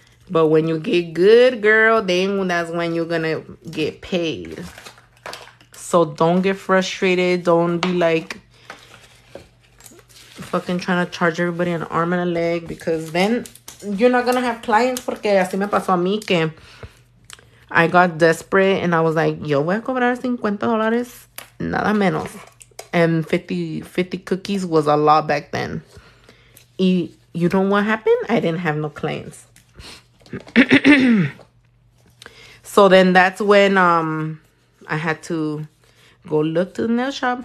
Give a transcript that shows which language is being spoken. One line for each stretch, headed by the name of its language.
English: But when you get good, girl, then that's when you're going to get paid. So don't get frustrated. Don't be like fucking trying to charge everybody an arm and a leg. Because then you're not going to have clients.
Spanish: Porque así me pasó a mí que
English: I got desperate. And I was like,
Spanish: yo voy a cobrar $50. Nada menos.
English: And 50 cookies was a lot back then. Y You know what happened? I didn't have no clients. So then that's when I had to go look to the nail shop.